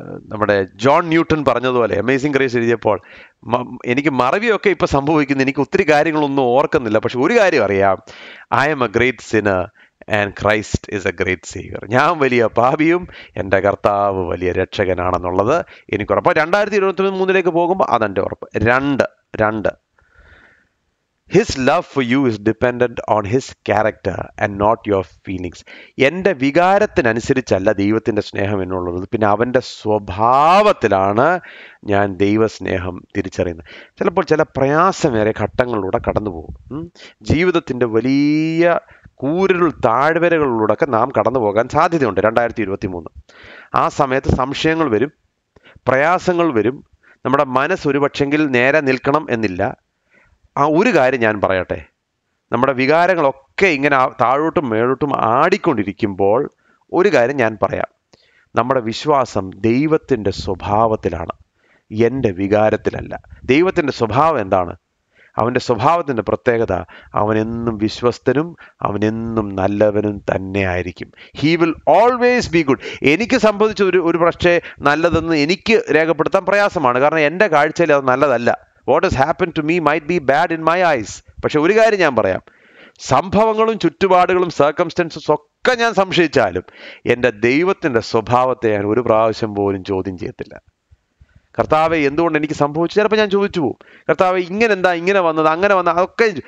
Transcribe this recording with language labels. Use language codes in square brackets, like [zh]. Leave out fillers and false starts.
[ml] നമ്മുടെ John newton പറഞ്ഞതുപോലെ, amazing grace എഴുതിയപ്പോൾ, എനിക്ക് മറവിയൊക്കെ ഇപ്പോൾ സംഭവിക്കുന്നു, എനിക്ക് ഒത്തിരി കാര്യങ്ങളൊന്നും ഓർക്കുന്നില്ല, പക്ഷെ ഒരു കാര്യം അറിയാം, [en] I am a great sinner and Christ is a great saviour. [ml] ഞാൻ വലിയ പാപിയും എൻ്റെ കർത്താവ് വലിയ രക്ഷകനാണെന്നുള്ളത് എനിക്ക് ഉറപ്പാണ്. 2023 പോകുമ്പോൾ അതെൻ്റെ ഉറപ്പ്. രണ്ട്, [en] His love for you is dependent on His character and not your feelings. [ml] എൻ്റെ വികാരത്തിനനുസരിച്ചല്ല ദൈവത്തിൻ്റെ സ്നേഹം എന്നുള്ളത്, പിന്നെ അവൻ്റെ സ്വഭാവത്തിലാണ് ഞാൻ ദൈവസ്നേഹം തിരിച്ചറിയുന്നത്. ചിലപ്പോൾ ചില പ്രയാസമേറെ ഘട്ടങ്ങളിലൂടെ കടന്നു പോകും. ജീവിതത്തിൻ്റെ വലിയ കൂരിൽ താഴ്വരകളിലൂടെയൊക്കെ നാം കടന്നു പോകാൻ സാധ്യതയുണ്ട്. 2023 ആ സമയത്ത് സംശയങ്ങൾ വരും, പ്രയാസങ്ങൾ വരും, നമ്മുടെ മനസ്സൊരു പക്ഷെങ്കിൽ നേരെ നിൽക്കണം എന്നില്ല. ആ ഒരു കാര്യം ഞാൻ പറയട്ടെ, നമ്മുടെ വികാരങ്ങളൊക്കെ ഇങ്ങനെ താഴോട്ടും മേലോട്ടും ആടിക്കൊണ്ടിരിക്കുമ്പോൾ ഒരു കാര്യം ഞാൻ പറയാം, നമ്മുടെ വിശ്വാസം ദൈവത്തിൻ്റെ സ്വഭാവത്തിലാണ്, എൻ്റെ വികാരത്തിലല്ല. ദൈവത്തിൻ്റെ സ്വഭാവം എന്താണ്? അവൻ്റെ സ്വഭാവത്തിൻ്റെ പ്രത്യേകത, അവനെന്നും വിശ്വസ്തനും അവനെന്നും നല്ലവനും തന്നെ ആയിരിക്കും. [en] He will always be good. [ml] എനിക്ക് സംബന്ധിച്ച് ഒരു പക്ഷേ നല്ലതെന്ന് എനിക്ക് രേഖപ്പെടുത്താൻ പ്രയാസമാണ്, കാരണം എൻ്റെ കാഴ്ചയിൽ അത് നല്ലതല്ല. [en] What has happened to me might be bad in my eyes. [ml] പക്ഷേ ഒരു കാര്യം ഞാൻ പറയാം, സംഭവങ്ങളും ചുറ്റുപാടുകളും സർക്കംസ്റ്റൻസും ഒക്കെ ഞാൻ സംശയിച്ചാലും എൻ്റെ ദൈവത്തിൻ്റെ സ്വഭാവത്തെ ഞാൻ ഒരു പ്രാവശ്യം പോലും ചോദ്യം ചെയ്യത്തില്ല. കർത്താവെ, എന്തുകൊണ്ട് എനിക്ക് സംഭവിച്ചു? ചിലപ്പോൾ ഞാൻ ചോദിച്ചു പോവും, കർത്താവെ ഇങ്ങനെ എന്താ, ഇങ്ങനെ വന്നത്, അങ്ങനെ വന്നത് അതൊക്കെ.